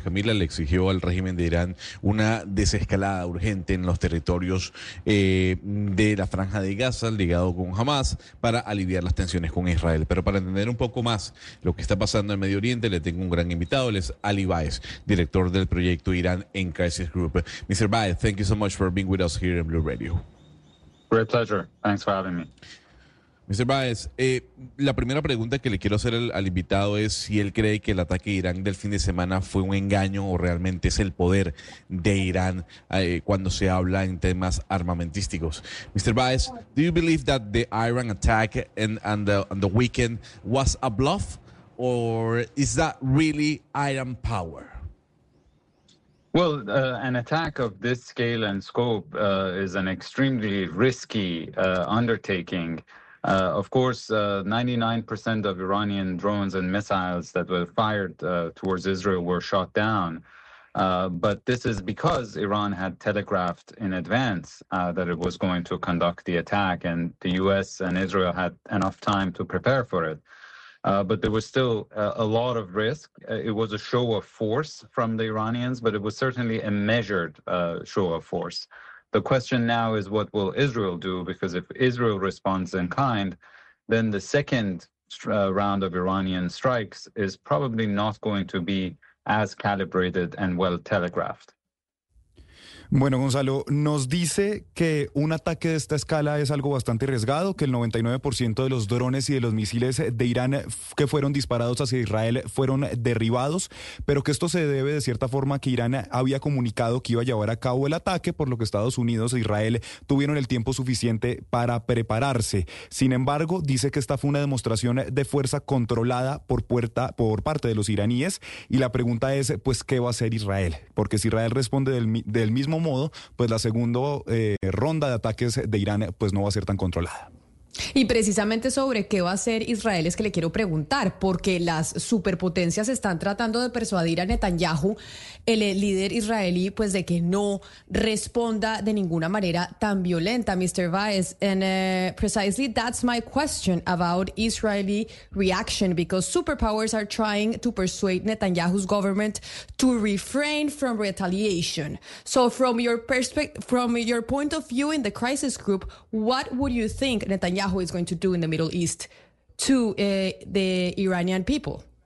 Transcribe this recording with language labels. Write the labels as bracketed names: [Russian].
[Spanish] Camila, le exigió al régimen de Irán una desescalada urgente en los territorios de la franja de Gaza, ligado con Hamas, para aliviar las tensiones con Israel. Pero para entender un poco más lo que está pasando en Medio Oriente, le tengo un gran invitado, es Ali Baez, director del proyecto Irán en Crisis Group. [English] Mr. Baez, thank you so much for being with us here in Blue Radio. Great pleasure. Thanks for having me. Mr. [Spanish] Baez, la primera pregunta que le quiero hacer al invitado es si él cree que el ataque de Irán del fin de semana fue un engaño o realmente es el poder de Irán cuando se habla en temas armamentísticos. [English] Mr. Baez, do you believe that the Iran attack and the weekend was a bluff, or is that really Iran power? Well, an attack of this scale and scope is an extremely risky undertaking. Of course, 99% of Iranian drones and missiles that were fired towards Israel were shot down. But this is because Iran had telegraphed in advance that it was going to conduct the attack, and the U.S. and Israel had enough time to prepare for it. But there was still a lot of risk. It was a show of force from the Iranians, but it was certainly a measured show of force. The question now is, what will Israel do? Because if Israel responds in kind, then the second round of Iranian strikes is probably not going to be as calibrated and well telegraphed. [Spanish] Bueno, Gonzalo, nos dice que un ataque de esta escala es algo bastante arriesgado, que el 99% de los drones y de los misiles de Irán que fueron disparados hacia Israel fueron derribados, pero que esto se debe de cierta forma que Irán había comunicado que iba a llevar a cabo el ataque, por lo que Estados Unidos e Israel tuvieron el tiempo suficiente para prepararse. Sin embargo, dice que esta fue una demostración de fuerza controlada por parte de los iraníes, y la pregunta es, pues, ¿qué va a hacer Israel? Porque si Israel responde del mismo modo, pues la segunda ronda de ataques de Irán pues no va a ser tan controlada. Y precisamente sobre qué va a hacer Israel es que le quiero preguntar, porque las superpotencias están tratando de persuadir a Netanyahu, el líder israelí, pues de que no responda de ninguna manera tan violenta, Mr. Baez. [English] And precisely that's my question about Israeli reaction, because superpowers are trying to persuade Netanyahu's government to refrain from retaliation. So from your point of view in the crisis group, what would you think Netanyahu is going to do in the Middle East to the Iranian people?